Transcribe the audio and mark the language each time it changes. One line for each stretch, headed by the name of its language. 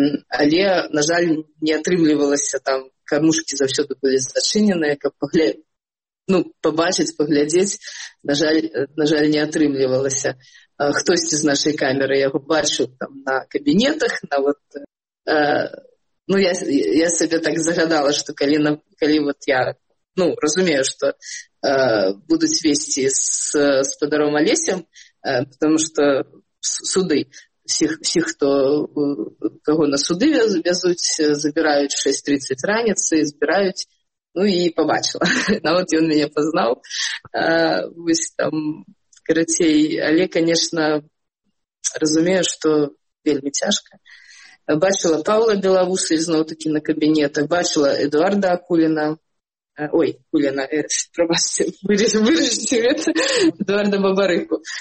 Belarusian: Але, на жаль, не атрымлівалася там, камушкі завсёды былі зачыненыя, каб ну, пабачыць, паглядзець, на жаль, не атрымлівалася. Хтось з нашай камеры яго бачыў там на кабінетах, нават...
Russian: Ну, я себе так загадала, что коли вот я, ну, разумею, что будут вести с подаром Олесем, потому что суды, всех кто, кого на суды везут, забирают в 6:30 раницы, избирают, ну, и побачила. Ну, вот и он меня познал. Вот там, короче, Оле, конечно, разумею, что вельми тяжко.
Belarusian: Бачила Павла Белавуса, знову-таки, на кабінетах. Бачила Эдуарда Акуліна.
Russian: Ой, Куліна, пробачте, вырежьте это.
Belarusian: Эдуарда Бабарыку.